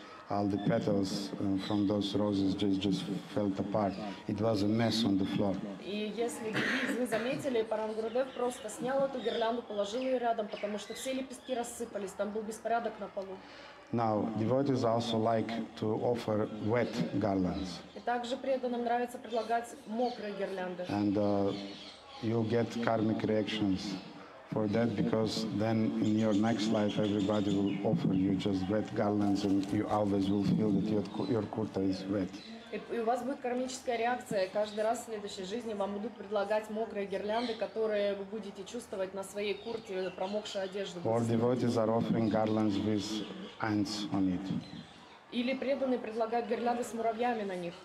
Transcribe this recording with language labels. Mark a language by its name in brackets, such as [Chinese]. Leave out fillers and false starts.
[English] All the petals from those roses just fell apart. It was a mess on the floor. [Russian] И если вы заметили, Парам Гурудев просто снял эту гирлянду, положил ее рядом, потому что все лепестки рассыпались, там был беспорядок на полу. [English] Now, devotees also like to offer wet garlands. [Russian] И также преданным нравится предлагать мокрые гирлянды. [English] And you'll get karmic reactions for that, because then in your next life everybody will offer you just wet garlands and you always will feel that your kurta is wet. [Russian] И у вас будет кармическая реакция. Каждый раз в следующей жизни вам будут предлагать мокрые гирлянды, которые вы будете чувствовать на своей курте, промокшей одежде. [English] Or devotees are offering garlands with ants on it. [Russian] Или преданные предлагают гирлянды с муравьями на них.